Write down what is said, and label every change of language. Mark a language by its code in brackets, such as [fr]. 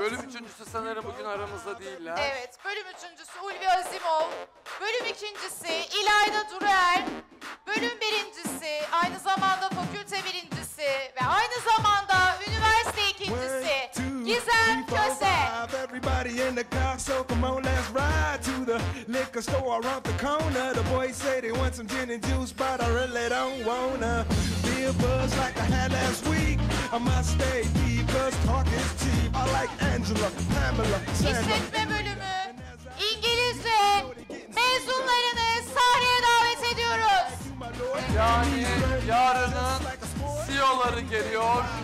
[tr] Bölüm üçüncüsü sanırım bugün aramızda değiller. Evet. Bölüm üçüncüsü Ulvi Azimov. Bölüm ikincisi İlayda Durer. Bölüm birincisi aynı zamanda fakülte birincisi ve aynı zamanda üniversite ikincisi Gizem Köse. [en] Everybody in the car, so come on, let's ride to the liquor store around the corner. The boys say they want some gin and juice, but I really don't wanna be a buzz like I had last week. I must stay deep, cause talk is cheap. I like Angela, Pamela, Sandra. [tr] İşletme bölümü İngilizce mezunlarını sahneye davet ediyoruz. Yani yarının CEO'ları geliyor.